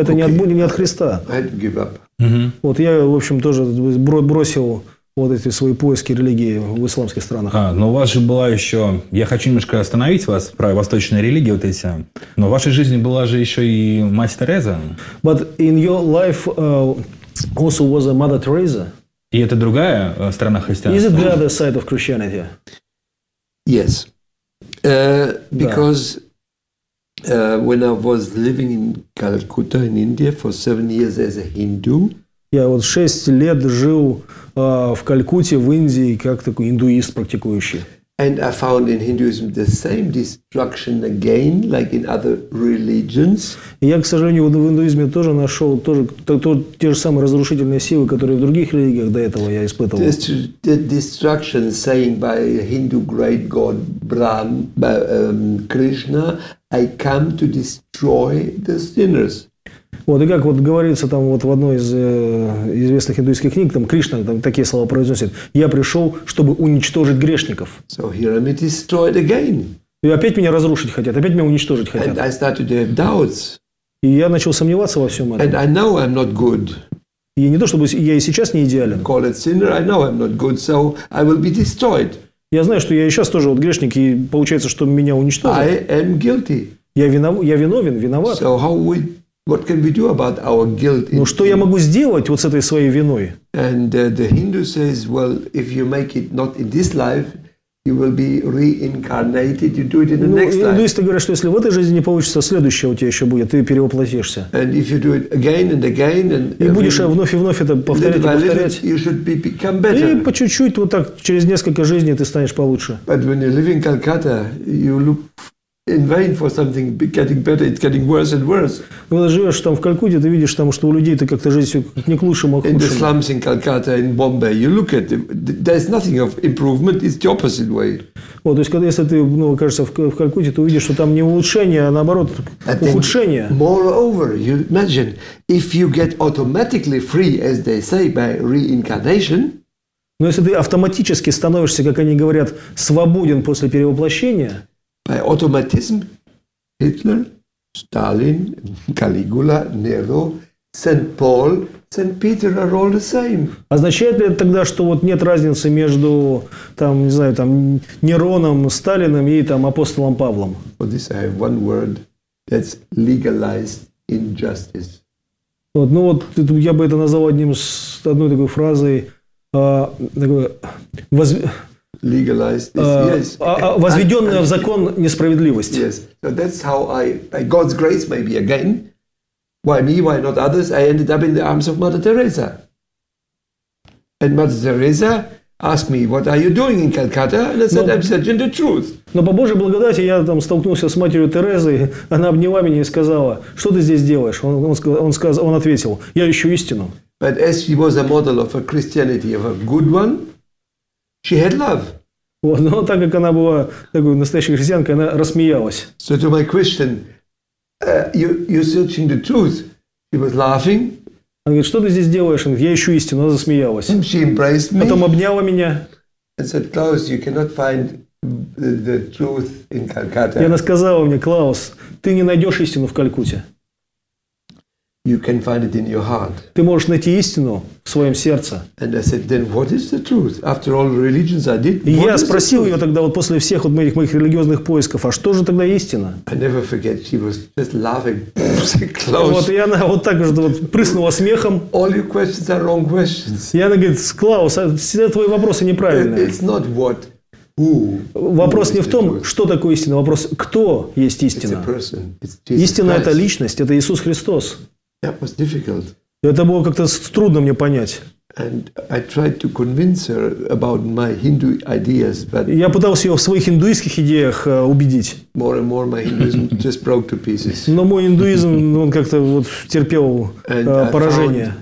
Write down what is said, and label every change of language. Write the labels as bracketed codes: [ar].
[ru] Это не от Христа. Вот я, в общем, тоже бросил вот эти свои поиски религии в исламских странах. А, но у вас же была еще. Я хочу немножко остановить вас про восточные религии, вот эти. Но в вашей жизни была же еще и мать Тереза. [en] But in your life also was a Mother Teresa. [ru] И это другая страна христианства. [en] Is it the other side of Christianity? Yes, because when I was living in Calcutta in India for 7 years as a Hindu, [ru] я вот 6 лет жил в Калькутте в Индии как такой индуист практикующий. [en] And I found in Hinduism the same destruction again, like in other religions. [ru] Я, к сожалению, в индуизме тоже нашел те же самые разрушительные силы, которые в других религиях до этого я испытывал. [en] The destruction saying by Hindu great god Brahma, Krishna, I come to destroy the sinners. [ru] Вот, и как вот говорится там вот в одной из известных индуистских книг, там Кришна там такие слова произносит: «Я пришел, чтобы уничтожить грешников». [en] So here I'm destroyed again. [ru] И опять меня разрушить хотят, опять меня уничтожить хотят. [en] And I started to have doubts. [ru] И я начал сомневаться во всем этом. [en] And I know I'm not good. [ru] И не то, чтобы я и сейчас не идеален. [en] Call it sinner, I know I'm not good, so I will be destroyed. [ru] Я знаю, что я и сейчас тоже вот грешник, и получается, что меня уничтожат. [en] I am guilty. [ru] Я виноват. [en] So how we, what can we do about our guilt? [ru] Ну, что я могу сделать вот с этой своей виной? [en] And the Hindu says, well, if you make it not in this life, you will be reincarnated, you do it in the next life. [ru] Индуисты говорят, что если в этой жизни не получится, следующее у тебя еще будет, ты перевоплотишься. [en] And if you do it again and again and [ru] и будешь вновь и вновь это повторять [en] little [ru] и повторять, [en] you should be become better. [ru] И по чуть-чуть, вот так, через несколько жизней ты станешь получше. [en] But when you live in Calcutta, you look in vain for something getting better, it's getting worse and worse. [ru] Когда живешь там в Калькутте, ты видишь там, что у людей ты как-то жизнь все как не к лучшему, а к худшему. [en] In the slums in Calcutta, in Bombay, you look at them, there's nothing of improvement, it's the opposite way. [ru] Вот, то есть, когда если ты, ну, окажешься в Калькутте, ты увидишь, что там не улучшение, а наоборот, ухудшение. [en] Moreover, you imagine, if you get automatically free, as they say, by reincarnation. [ru] Но если ты автоматически становишься, как они говорят, свободен после перевоплощения. [en] By automatism, Hitler, Stalin, Калигула, Неро, Сент-Пол, Сент-Питер are all the same. [ru] Означает ли это тогда, что вот нет разницы между там, не знаю, там, Нероном, Сталином и там, апостолом Павлом? [en] For this I have one word, that's legalized injustice. [ru] Вот, ну вот я бы это назвал одним с одной такой фразой, возведенная в закон несправедливость. [en] Yes. So that's how I, by God's grace, maybe again, why me, why not others, I ended up in the arms of Mother Teresa. And Mother Teresa asked me, what are you doing in Calcutta? And I said, I'm searching the truth. [ru] Но по Божьей благодати я там столкнулся с матерью Терезой, она обняла меня и сказала, что ты здесь делаешь? Он ответил, я ищу истину. [en] But as she was a model of a Christianity, of a good one, she had love. [ru] Вот, но так как она была такой настоящей христианкой, она рассмеялась. [en] So to my question, you're searching the truth. She was laughing. [ru] Она говорит, что ты здесь делаешь? Я ищу истину. Она засмеялась. [en] And she embraced me. [ru] Потом обняла меня. [en] And said, Klaus, you cannot find the truth in Calcutta. [ru] И она сказала мне, Клаус, ты не найдешь истину в Калькутте. [en] You can find it in your heart. [ru] Ты можешь найти истину в своем сердце. [en] And I said, then what is the truth? After all religions I did. [ru] И я спросил ее тогда вот после всех вот моих религиозных поисков, а что же тогда истина? [en] I never forget, she was just laughing. [ru] Вот и она вот так же вот прыснула смехом. [en] All your questions are wrong questions. [ru] И она говорит, Клаус, все твои вопросы неправильные. [en] It's not what, who. [ru] Вопрос не в том, что такое истина, вопрос, кто есть истина. [en] It's a person. [ru] Истина это личность, это Иисус Христос. [en] That was difficult. [ru] Это было как-то трудно мне понять. [en] And I tried to convince her about my Hindu ideas, but [ru] я пытался ее в своих индуистских идеях убедить. [en] More and more my Hinduism just broke to pieces. [ru] Но мой индуизм, он как-то вот терпел поражение.